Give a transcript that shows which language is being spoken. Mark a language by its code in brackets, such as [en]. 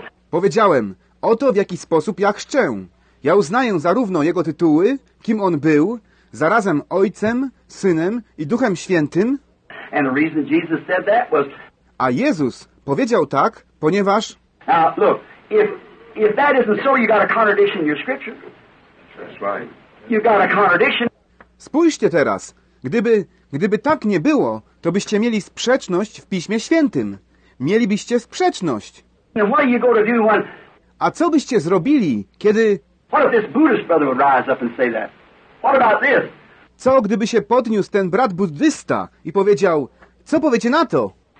[pl] Powiedziałem, oto w jaki sposób ja chrzczę. Ja uznaję zarówno Jego tytuły, kim On był, zarazem Ojcem, Synem i Duchem Świętym. [en] And the reason Jesus said that was, [pl] a Jezus powiedział tak, ponieważ [en] look, if that isn't so, you got a contradiction in your scripture. That's right. You got a contradiction. [pl] Spójrzcie teraz, gdyby tak nie było, to byście mieli sprzeczność w Piśmie Świętym. Mielibyście sprzeczność. [en] And what are you going to do when, [pl] a co byście zrobili, kiedy [en] what if this Buddhist brother would rise up and say that? What about this? [pl] Co, gdyby się podniósł ten brat buddysta i powiedział, co powiecie na to?